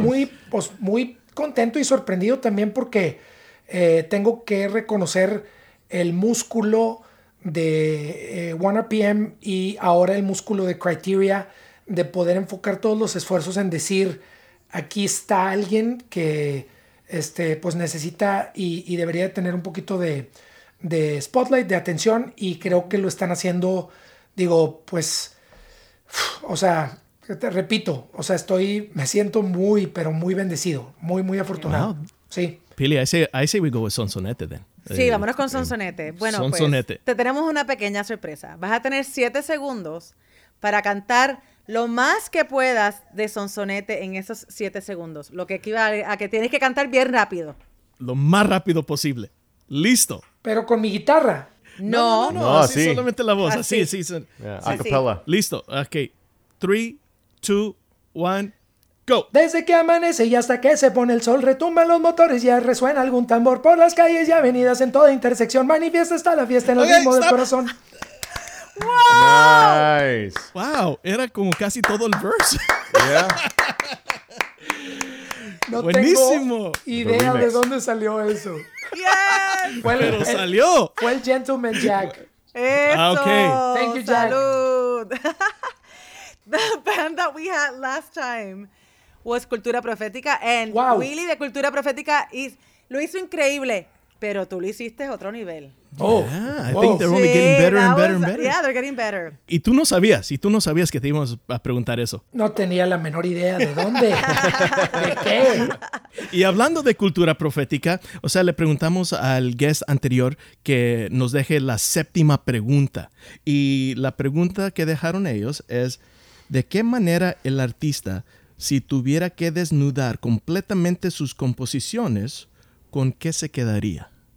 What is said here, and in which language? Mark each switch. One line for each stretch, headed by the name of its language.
Spanish: Nice. Y muy contento y sorprendido también porque tengo que reconocer el músculo de 1RPM y ahora el músculo de Criteria de poder enfocar todos los esfuerzos en decir, aquí está alguien que pues necesita y debería tener un poquito de spotlight, de atención, y creo que lo están haciendo, estoy, me siento muy, pero muy bendecido, muy, muy afortunado. Wow. Sí.
English: Pili, I say we go with Sonsonete then.
Spanish: Sí, vámonos con Sonsonete. Bueno, Sonsonete. Pues, te tenemos una pequeña sorpresa. Vas a tener 7 segundos para cantar lo más que puedas de Sonsonete en esos 7 segundos. Lo que equivale a que tienes que cantar bien rápido. Lo más rápido posible. Listo. Pero con mi guitarra. No. Así sí. Solamente la voz. Así. Sí.
English: Yeah. Acapella.
Spanish: Sí. Listo. Ok. 3, 2, 1. Go. Desde que amanece y hasta que se pone el sol, retumban los motores y resuena algún tambor por las calles y avenidas en toda intersección. Manifiesta está la fiesta en el ritmo del corazón. ¡Wow!
English: Nice.
Spanish: ¡Wow! Era como casi todo el verse.
English: Yeah.
Spanish: No ¡buenísimo! Tengo idea de dónde salió eso.
English: ¡Yes!
Spanish: ¡Salió! Fue el Gentleman Jack. ¡Eso! Ah, okay.
English: Thank you, Jack.
Spanish: ¡Salud!
English: The band that we had last time was Cultura Profética, and wow.
Spanish: Willy de Cultura Profética lo hizo increíble, pero tú lo hiciste otro nivel.
English: Oh, yeah, I think they're only getting better and better and better. Yeah, they're getting better.
Spanish: Y tú no sabías que te íbamos a preguntar eso. No tenía la menor idea de dónde, de qué. Y hablando de Cultura Profética, o sea, le preguntamos al guest anterior que nos deje la séptima pregunta. Y la pregunta que dejaron ellos es, ¿de qué manera el artista, si tuviera que desnudar completamente sus composiciones, con qué se quedaría?